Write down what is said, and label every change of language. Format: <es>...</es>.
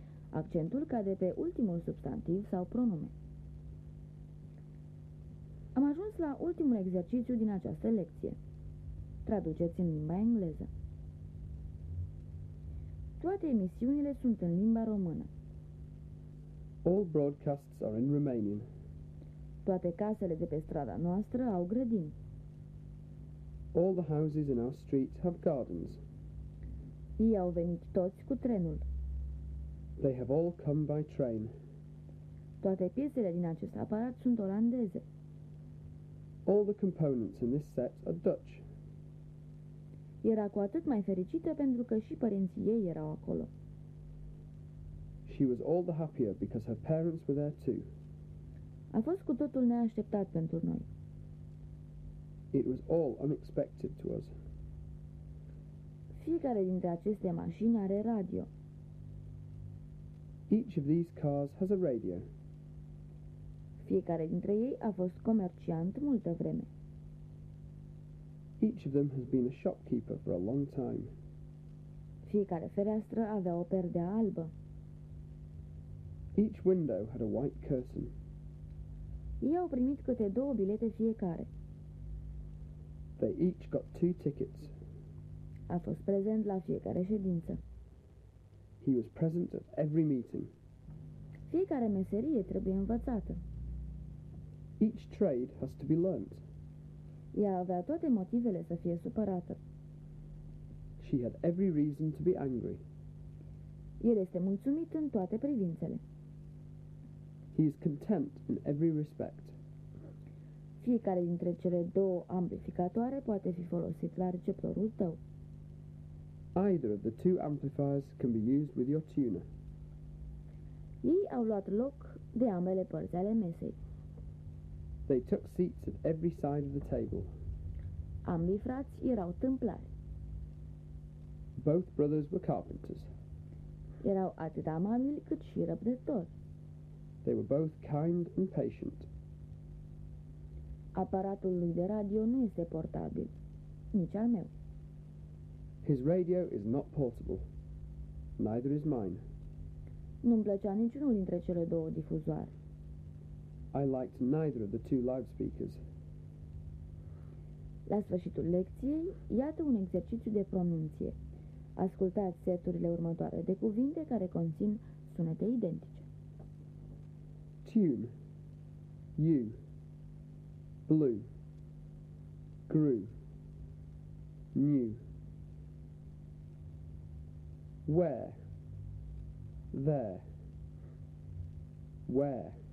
<ro>Accentul cade pe ultimul substantiv sau pronume. Am ajuns la ultimul exercițiu din această lecție. Traduceți în limba engleză. Toate emisiunile sunt în limba română.</ro> <en>All broadcasts are in Romanian.</en> <ro>Toate casele de pe strada noastră au grădini.</ro> <en>All the houses in our street have gardens.</en> <ro>Ei au venit toți cu trenul.</ro> <en>They have all come by train.</en> <ro>Toate piesele din acest aparat sunt olandeze.</ro> <en>All the components in this set are Dutch.</en> <ro>Era cu atât mai fericită pentru că și părinții ei erau acolo.</ro> <en>She was all the happier because her parents were there too.</en> <ro>A fost cu totul neașteptat pentru noi.</ro> <en>It was all unexpected to us.</en> <ro>Fiecare dintre aceste mașini are radio.</ro> <en>Each of these cars has a radio.</en> <ro>Fiecare dintre ei a fost comerciant multă vreme.</ro> <en>Each of them has been a shopkeeper for a long time.</en> <ro>Fiecare fereastră avea o perdea albă.</ro> <en>Each window had a white curtain.</en> <ro>Ei au primit câte două bilete fiecare.</ro> <en>They each got two tickets.</en> <ro>A fost prezent la fiecare ședință.</ro> <en>He was present at every meeting.</en> <ro>Fiecare meserie trebuie învățată.</ro> <en>Each trade has to be learnt.</en> <ro>Ea avea toate motivele să fie supărată.</ro> <en>She had every reason to be angry.</en> <ro>El este mulțumit în toate privințele.</ro> <en>He is content in every respect.</en> <ro>Fiecare dintre cele două amplificatoare poate fi folosit la receptorul tău.</ro> <en>Either of the two amplifiers can be used with your tuner.</en> <ro>Ei au luat loc de ambele părți ale mesei.</ro> <en>They took seats at every side of the table.</en> <ro>Ambii frați erau tâmplari.</ro> <en>Both brothers were carpenters.</en> <ro>Erau atât amabili cât și răbdători.</ro> <en>They were both kind and patient.</en> <ro>Aparatul lui de radio nu este portabil, nici al meu.</ro> <en>His radio is not portable. Neither is mine.</en> <ro>Nu-mi plăcea niciunul dintre cele două difuzoare.</ro> <en>I liked neither of the two loudspeakers.</en> <ro>La sfârșitul lecției, iată un exercițiu de pronunție. Ascultați seturile următoare de cuvinte care conțin sunete identice.</ro> <en>Tune, you, blue, grew, new, where, there, where.</en>